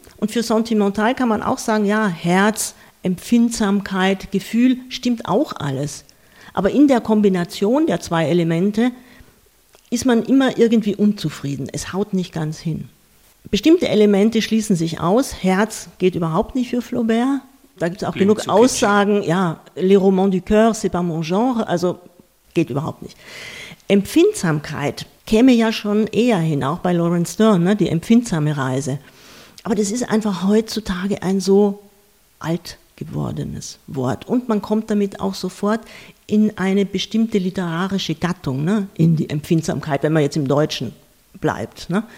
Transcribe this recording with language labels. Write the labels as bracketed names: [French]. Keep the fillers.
[German] Und für sentimental kann man auch sagen, ja, Herz, Empfindsamkeit, Gefühl, stimmt auch alles. Aber in der Kombination der zwei Elemente ist man immer irgendwie unzufrieden. Es haut nicht ganz hin. Bestimmte Elemente schließen sich aus. Herz geht überhaupt nicht für Flaubert. Da gibt es auch Klingt genug Aussagen. Kitchen. [French] Ja, Les Romans du Coeur, c'est pas mon genre. [German] Also geht überhaupt nicht. Empfindsamkeit käme ja schon eher hin, auch bei Lawrence Stern, ne, die empfindsame Reise. Aber das ist einfach heutzutage ein so alt gewordenes Wort. Und man kommt damit auch sofort in eine bestimmte literarische Gattung, ne, in die Empfindsamkeit, wenn man jetzt im Deutschen bleibt. Ne.